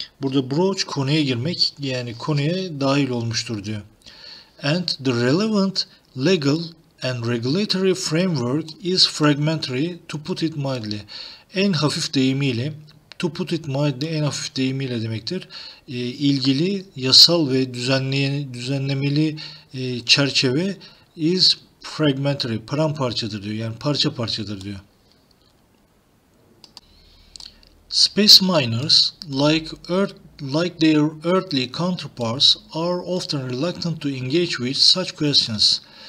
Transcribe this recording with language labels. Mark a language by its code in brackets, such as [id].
[tr] Burada broach konuya girmek, yani konuya dahil olmuştur diyor. [en] And the relevant legal and regulatory framework is fragmentary, to put it mildly. [tr] En hafif deyimiyle. [en] To put it mildly, [tr] en hafif deyimiyle demektir. İlgili yasal ve düzenlemeli çerçeve [en] is fragmentary, [tr] paramparçadır diyor. Yani parça parçadır diyor. [en] Space miners, like their earthly counterparts, are often reluctant to engage with such questions.